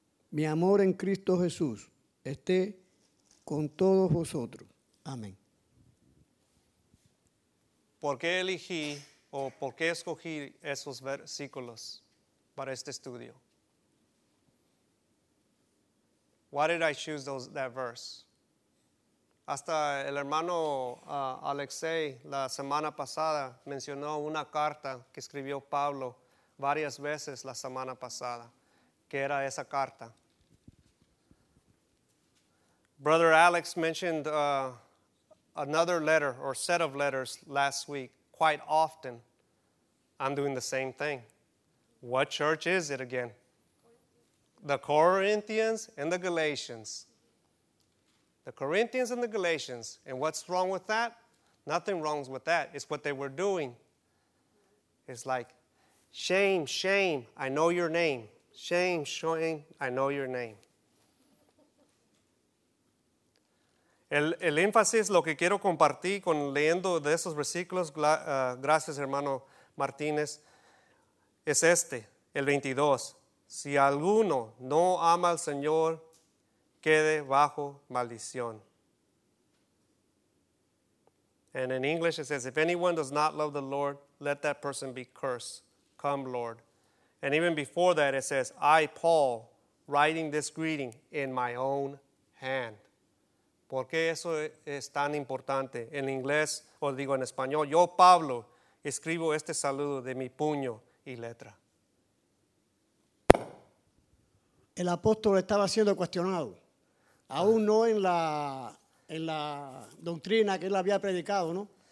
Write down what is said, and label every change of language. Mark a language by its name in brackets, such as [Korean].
[Spanish] Mi amor en Cristo Jesús esté con todos vosotros. Amén. ¿Por qué elegí o por qué escogí esos versículos para este estudio? [English] Why did I choose that verse? [Spanish] Hasta el hermano Alexei la semana pasada mencionó una carta que escribió Pablo varias veces la semana pasada. ¿Qué era esa carta? [English] Brother Alex mentioned another letter or set of letters last week. Quite often, I'm doing the same thing. What church is it again? The Corinthians and the Galatians. The Corinthians and the Galatians. And what's wrong with that? Nothing wrong with that. It's what they were doing. It's like, shame, shame, I know your name. Shame, shame, I know your name. [Spanish] El énfasis, lo que quiero compartir con leyendo de esos versículos, gracias hermano Martínez, es este, el 22. Si alguno no ama al Señor, quede bajo maldición. [English] And in English it says, if anyone does not love the Lord, let that person be cursed. Come, Lord. And even before that it says, I, Paul, writing this greeting in my own hand. [Spanish] ¿Por qué eso es tan importante? En inglés, o digo en español, yo, Pablo, escribo este saludo de mi puño y letra. El apóstol estaba siendo cuestionado. Aún no en la doctrina que él había predicado, ¿no?